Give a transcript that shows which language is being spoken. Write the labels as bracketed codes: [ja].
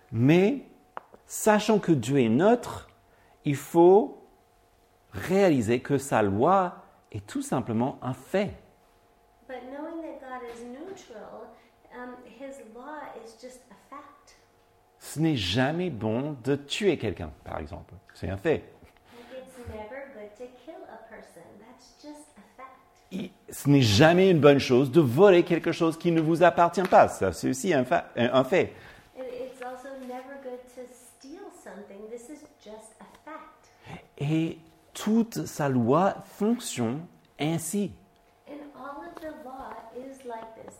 [fr] Mais sachant que Dieu est neutre, il faut réaliser que sa loi est tout simplement un fait. [en] But knowing that God is neutral, his law is just a fact. [fr] ce n'est jamais bon de tuer quelqu'un, par exemple. C'est un fait. [en] It's never good to kill a person. That's just a fact. [fr] Ce n'est jamais une bonne chose de voler quelque chose qui ne vous appartient pas. Ça, c'est aussi un fait. [en] It's also never good to steal something. This is just a fact. [fr] Et toute sa loi fonctionne ainsi. [en] And all of the law is like this.